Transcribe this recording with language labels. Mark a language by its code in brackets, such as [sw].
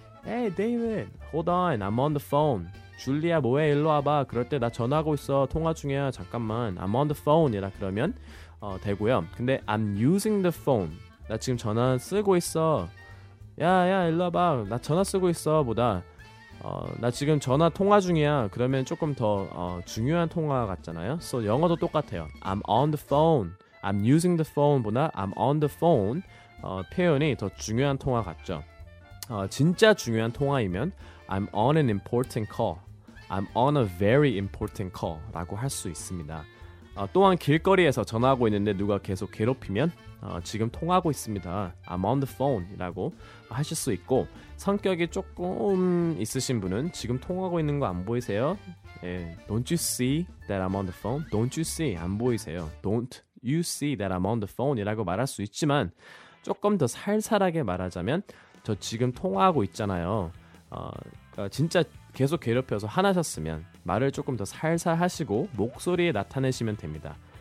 [en] Hey, David, hold on, I'm on the phone. [ko] 줄리아, 뭐해? 일로 와봐. 그럴 때 나 전화하고 있어. 통화 중이야. 잠깐만. [en] I'm on the phone [ko] 이라 그러면 되고요. 근데 [en] I'm using the phone. [ko] 나 지금 전화 쓰고 있어. 야, 일로 와봐. 나 전화 쓰고 있어 보다. 나 지금 전화 통화 중이야. 그러면 조금 더 중요한 통화 같잖아요. So 영어도 똑같아요. [en] I'm on the phone. I'm using the phone [ko] 보다 [en] I'm on the phone [ko] 표현이 더 중요한 통화 같죠. 진짜 중요한 통화이면 [en] I'm on an important call. I'm on a very important call [ko] 라고 할 수 있습니다. 또한 길거리에서 전화하고 있는데 누가 계속 괴롭히면 지금 통화하고 있습니다. [en] I'm on the phone [ko] 이라고 하실 수 있고 성격이 조금 있으신 분은 지금 통화하고 있는 거 안 보이세요? [en] 예, don't you see that I'm on the phone? Don't you see? [ko] 안 보이세요. [en] Don't you see that I'm on the phone? [ko] 이라고 말할 수 있지만 조금 더 살살하게 말하자면 저 지금 통화하고 있잖아요. 진짜 계속 괴롭혀서 화나셨으면 말을 조금 더 살살 하시고 목소리에 나타내시면 됩니다.